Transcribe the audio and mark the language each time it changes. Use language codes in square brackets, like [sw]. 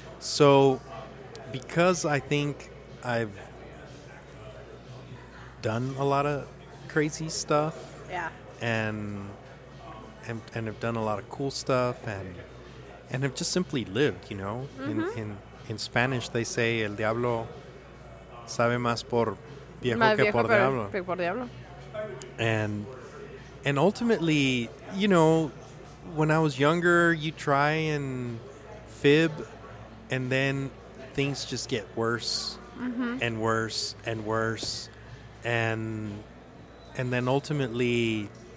[en] So, because I think I've done a lot of crazy stuff. Yeah. And have done a lot of cool stuff and have just simply lived, you know. Mm-hmm. In Spanish, they say, [es] el diablo sabe más por viejo, más que viejo por diablo. [en] And ultimately, you know, when I was younger, you try and fib, and then things just get worse. Mm-hmm. And worse and worse. And then ultimately...